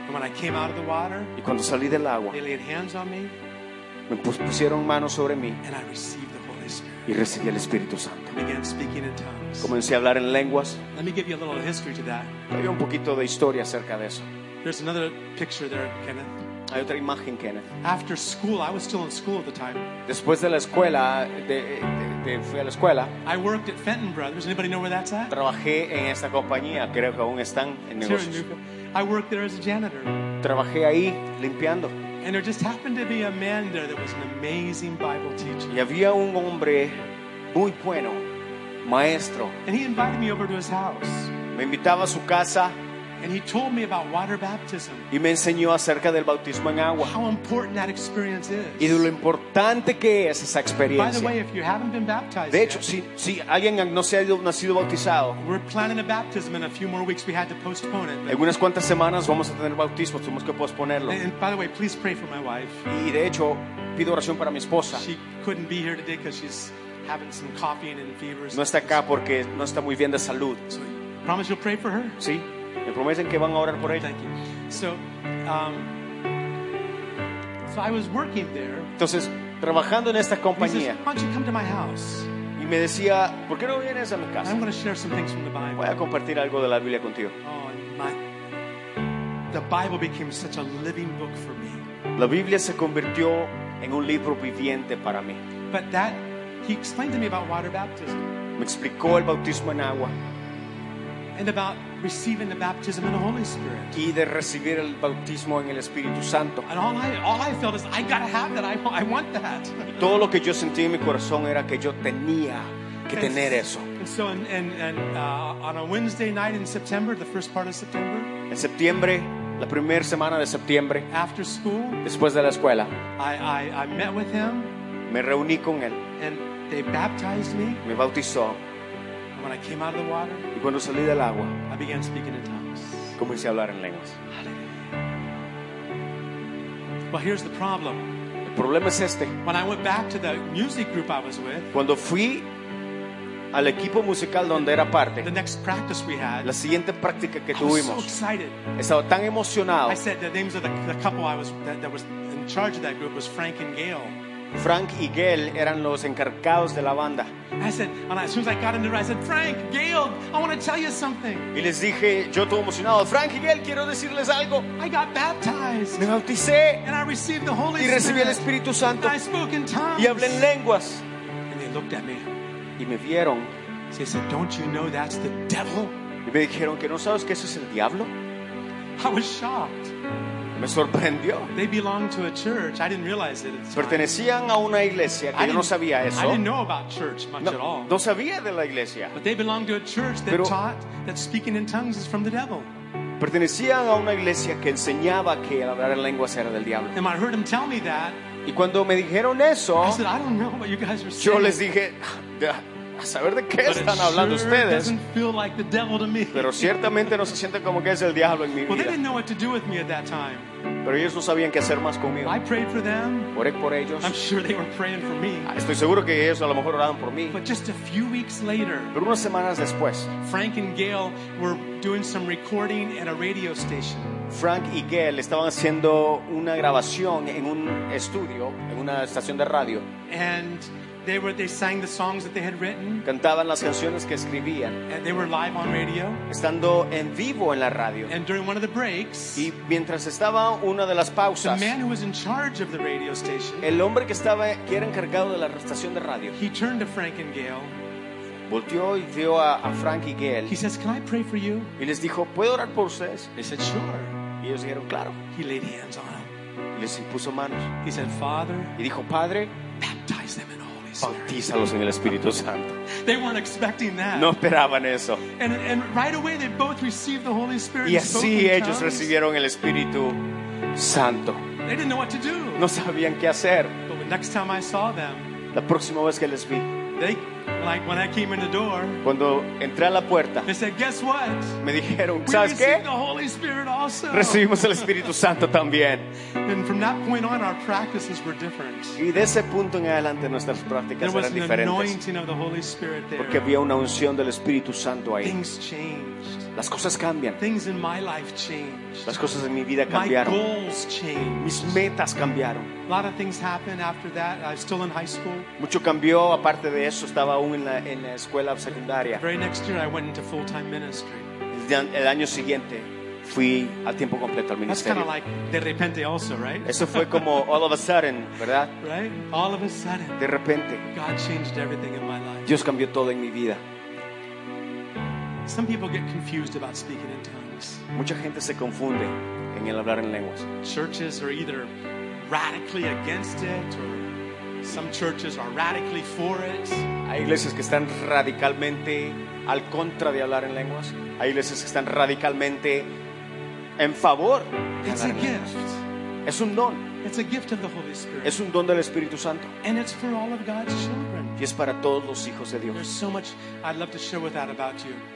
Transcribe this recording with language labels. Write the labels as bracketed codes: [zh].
[en] And when I came out of the water. [es] Y cuando salí del agua. [en] They laid hands on me. [es] Me pusieron manos sobre mí. [en] And I received the Holy Spirit. [es] Y recibí el Espíritu Santo. [en] I began speaking in tongues. [es] Comencé a hablar en lenguas. [en] Let me give you a little history to that. [es] Hay un poquito de historia acerca de eso. [en] There's another picture there, Kenneth. [es] Hay otra imagen, Kenneth. [en] After school, I was still in school at the time. [es] Después de la escuela, fui a la escuela. [en] I worked at Fenton Brothers. Anybody know where that's at? [es] Trabajé en esta compañía. Creo que aún están en negocios. [en] I worked there as a janitor. [es] Trabajé ahí limpiando. [en] And there just happened to be a man there that was an amazing Bible teacher. [es] Y había un hombre muy bueno, maestro. [en] And he invited me over to his house. [es] Me invitaba a su casa. [en] And he told me about water baptism. [es] Y me enseñó acerca del bautismo en agua. [en] How important that experience is. [es] Y de lo importante que es esa experiencia. [en] By the way, if you haven't been baptized, [es] de hecho, si alguien no se ha nacido bautizado, [en] we're planning a baptism in a few more weeks. We had to postpone it. [es] En unas cuantas semanas vamos a tener bautismo. Tuvimos que posponerlo. [en] And by the way, please pray for my wife. [es] Y de hecho, pido oración para mi esposa. [en] She couldn't be here today because she's having some coughing and fevers. [es] No está acá porque no está muy bien de salud. [en] So, promise you'll pray for her. [es] Sí. Me prometen que van a orar por ella. [en] Thank you. So I was working there. [es] Entonces, trabajando en esta compañía. [en] Says, why don't you come to my house? [es] Y me decía, ¿por qué no vienes a mi casa? [en] I'm going to share some things from the Bible. [es] Voy a compartir algo de la Biblia contigo. [en] Oh, my. The Bible became such a living book for me. [es] La Biblia se convirtió en un libro viviente para mí. [en] But that, he explained to me about water baptism. [es] Me explicó el bautismo en agua. [en] And about receiving the baptism in the Holy Spirit. [es] Y de recibir el bautismo en el Espíritu Santo. [en] And all I felt is I gotta have that. I want that. [es] Todo lo que yo sentí en mi corazón era que yo tenía que tener eso. [en] And so, on a Wednesday night in September, the first part of September. [es] En septiembre, la primera semana de septiembre. [en] After school. [es] Después de la escuela. [en] I met with him. [es] Me reuní con él. [en] And they baptized me. [es] Me bautizó. [en] When I came out of the water, [es] y cuando salí del agua, [en] I began speaking in tongues. [es] Comencé a hablar en lenguas. [en] Hallelujah. Well, here's the problem. [es] El problema es este. [en] When I went back to the music group I was with, [es] cuando fui al equipo musical donde era parte, [en] the next practice we had, [es] la siguiente práctica que tuvimos, [en] I was so excited. [es] Estaba tan emocionado. [en] I said the names of the couple I was that was in charge of that group was Frank and Gail. [es] Frank y Gail eran los encargados de la banda. [en] I said, and as soon as I got into it, I said, Frank, Gail, I want to tell you something. [es] Y les dije, yo todo emocionado, Frank y Gail, quiero decirles algo. [en] I got baptized. [es] Me bauticé. [en] And I received the Holy Spirit. [es] Y recibí el Espíritu Santo. [en] And I spoke in tongues. [es] Y hablé en lenguas. [en] And they looked at me. [es] Y me vieron. [en] They said, don't you know that's the devil? [es] Y me dijeron, ¿que no sabes que eso es el diablo? [en] I was shocked. [es] Me sorprendió. [en] They belonged to a church. I didn't realize it at the time. [es] Pertenecían a una iglesia que yo no sabía eso. [en] I didn't know about church much [es] no, [en] at all. [es] No sabía de la iglesia. [en] But they belonged to a church that taught that speaking in tongues is from the devil. [es] Pertenecían a una iglesia que enseñaba que hablar en lenguas era del diablo. [en] And I heard them tell me that. [es] Y cuando me dijeron eso, [en] I said, I don't know what you guys are saying. [es] Yo les dije, a saber de qué [en] but [es] están [en] sure [es] hablando ustedes. [en] Like the devil to me. [es] Pero ciertamente no se siente como que es el diablo en mi vida. [en] Well, they didn't know what to do with me at that time. [es] Pero ellos no sabían qué hacer más conmigo. [en] I prayed for them. [es] Oré por ellos. [en] I'm sure they were praying for me. [es] Estoy seguro que ellos a lo mejor oraban por mí. [en] But just a few weeks later, [es] pero unas semanas después, [en] Frank and Gail were doing some recording at a radio station. [es] Frank y Gail estaban haciendo una grabación en un estudio, en una estación de radio. [en] They sang the songs that they had written. [es] Cantaban las canciones que escribían. [en] And they were live on radio. [es] Estando en vivo en la radio. [en] And during one of the breaks, [es] y mientras estaba una de las pausas, [en] the man who was in charge of the radio station, [es] el hombre que era encargado de la estación de radio, [en] he turned to Frank and Gail. [es] Volteó y vio a Frank y Gail. [en] He says, "Can I pray for you?" [es] Y les dijo, "¿Puedo orar por ustedes?" [en] They said, "Sure." [es] Y ellos dijeron, "Claro." [en] He laid hands on them. [es] Y les impuso manos. [en] He said, "Father." [es] Y dijo, "Padre." [en] Baptize them. [es] Bautízalos en el Espíritu Santo. [en] They weren't expecting that. [es] No esperaban eso. [en] And right away they both received the Holy Spirit. [es] Y así ellos recibieron el Espíritu Santo. [en] They didn't know what to do. [es] No sabían qué hacer. [en] But the next time I saw them, [es] la próxima vez que les vi, [en] when I came in the door, [es] cuando entré a la puerta, [en] they said, "Guess what?" [es] Me dijeron, [en] "We [es] ¿sabes qué? [en] The Holy Spirit also." [es] Recibimos el Espíritu Santo también. [en] And from that point on, our practices were different. [es] Y de ese punto en adelante nuestras prácticas [en] there was [es] eran [en] an [es] diferentes. [en] Anointing of the Holy Spirit there. [es] Porque había una unción del Espíritu Santo ahí. [en] Things changed. [es] Las cosas cambian. [en] Things in my life changed. [es] Las cosas en mi vida cambiaron. [en] My goals changed. [es] Mis metas cambiaron. [en] A lot of things happened after that. I was still in high school. [es] Mucho cambió. Aparte de eso, estaba aún en la escuela secundaria. [en] The very next year, I went into full-time ministry. [es] El año siguiente, fui a tiempo completo al ministerio. [en] That's kind of like [es] de repente, [en] also, right? [es] Eso fue como [en] all of a sudden, [es] ¿verdad? [en] Right? All of a sudden. [es] De repente. [en] God changed everything in my life. [es] Dios cambió todo en mi vida. [en] Some people get confused about speaking in tongues. [es] Mucha gente se confunde en el hablar en lenguas. [en] Churches are either radically against it, or some churches are radically for it. [es] Hay iglesias que están radicalmente al contra de hablar en lenguas. Hay iglesias que están radicalmente en favor. [en] It's a gift. [es] Es un don. [en] It's a gift of the Holy Spirit. [es] Es un don del Espíritu Santo. [en] And it's for all of God's children. [es] Y es para todos los hijos de Dios. [en] There's so much I'd love to share with that about you.